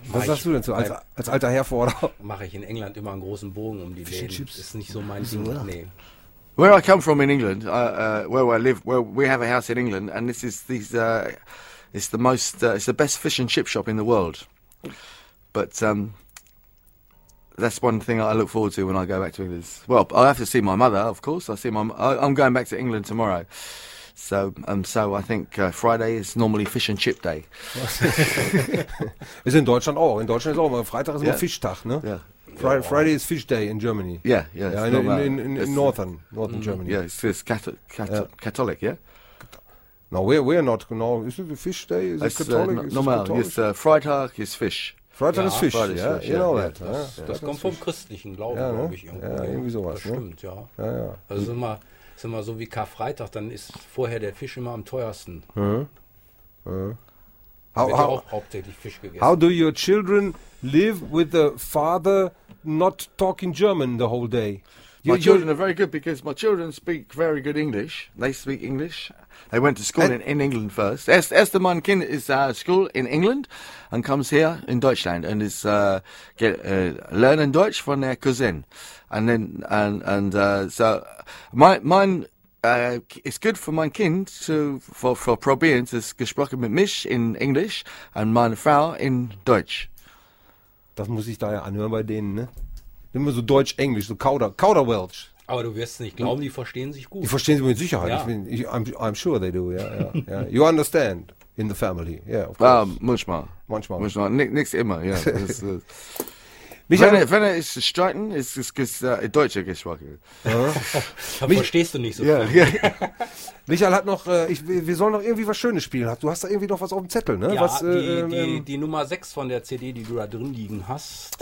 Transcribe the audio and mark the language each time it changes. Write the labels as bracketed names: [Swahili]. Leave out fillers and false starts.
[German] Nee, was sagst du denn so als alter Herr vor Ort? Mache ich in England immer einen großen Bogen um die [English] Fish And Chips? [German] Ist nicht so mein Ding. Ja. Nee. [English] Where I come from in England, where I live, where we have a house in England, and this is it's the best fish and chip shop in the world. But that's one thing I look forward to when I go back to England. Well, I have to see my mother, of course. I'm going back to England tomorrow. So I think Friday is normally fish and chip day. [German] Ist in Deutschland auch. In Deutschland ist auch immer Freitag ist immer Fischtag, ne? [English] Yeah. Friday is fish day in Germany. Yeah. In northern Germany. Yeah, it's Catholic, yeah? No, we're not. No, is it the fish day? Is it's it Catholic? Normal. It's Freitag is fish. [German] Freitag ist Fisch, ja, genau das. Das kommt vom christlichen Glauben, ja, ne? Glaube ich. Irgendwie sowas. Das stimmt, ne? Ja. Also ist immer so wie Karfreitag, dann ist vorher der Fisch immer am teuersten. Wird auch hauptsächlich Fisch gegessen. [English] How do your children live with the father not talking German the whole day? My children are very good because my children speak very good English. They speak English. They went to school in England first. Esther, [German] mein Kind, [English] is school in England and comes here in Deutschland and is learning Deutsch from their cousin. And then it's good for [German] mein Kind [English] for [German] probieren [English] to [German] gesprochen mit mich [English] in English and [German] meine Frau in Deutsch. Das muss ich da ja anhören bei denen, ne? Immer so Deutsch-Englisch, so Kauderwelsch. Aber du wirst es nicht glauben, die verstehen sich gut. Die verstehen sich mit Sicherheit. Ja. [English] I'm sure they do, yeah, yeah, yeah. You understand in the family, yeah, of course. [German] Manchmal. Nicht immer, ja. [English] Yeah. [German] wenn er es streiten, ist es Deutsche gesprochen. Verstehst du nicht so viel. Yeah. Michael hat noch, wir sollen noch irgendwie was Schönes spielen. Du hast da irgendwie noch was auf dem Zettel, ne? Ja, was, die Nummer 6 von der CD, die du da drin liegen hast.